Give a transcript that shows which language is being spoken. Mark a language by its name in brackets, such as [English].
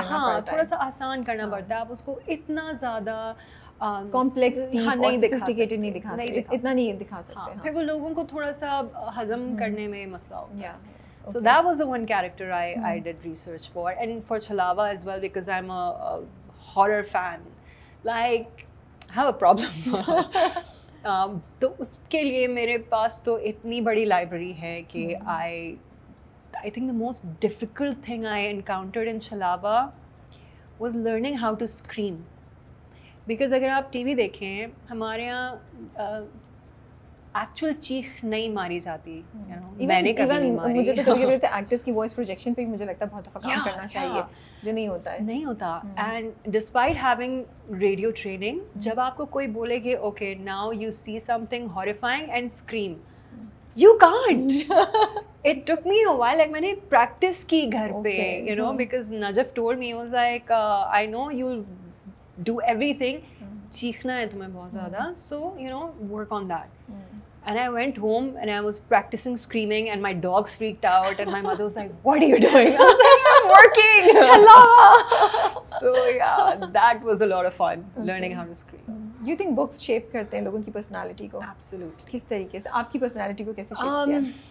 [Hindi] हाँ थोड़ा सा आसान करना पड़ता है. आप उसको इतना ज़्यादा कॉम्प्लेक्स नहीं दिखा सकते, इतना नहीं दिखा सकते. फिर वो लोगों को थोड़ा सा हजम करने में मसला होता है. [English] Okay. So that was the one character I did research for, and for Chalava as well, because I'm a horror fan, like I have a problem. [Hindi] तो उसके लिए मेरे पास तो इतनी बड़ी library है कि [English] I think the most difficult thing I encountered in Chalava was learning how to scream, because [Hindi] अगर आप TV देखें, हमारे यहाँ एक्चुअल चीख नहीं मारी जाती, मैंने कभी नहीं मारी. मुझे तो कभी कभी एक्टर्स की वॉइस प्रोजेक्शन पे मुझे लगता है बहुत ज़्यादा काम करना चाहिए, जो नहीं होता है. नहीं होता. [English] and despite having radio training, [Hindi] जब आपको कोई बोले कि [English] Okay now you see something horrifying and scream, you can't. It took me a while, [Hindi] like मैंने प्रैक्टिस की घर पे, [English] you know, because Najaf told me, was like I know you will do everything, [Hindi] चीखना है तुम्हें बहुत ज़्यादा, [English] So you know work on that. And I went home and I was practicing screaming and my dogs freaked out and my mother was like, what are you doing? I was like, I'm working. Chalava. So yeah, that was a lot of fun. Okay. Learning how to scream. Do you think [Hindi] books shape karte hain logon ki personality ko? [English] Absolutely. [Hindi] Kis tarike se aapki personality ko kaise shape kiya?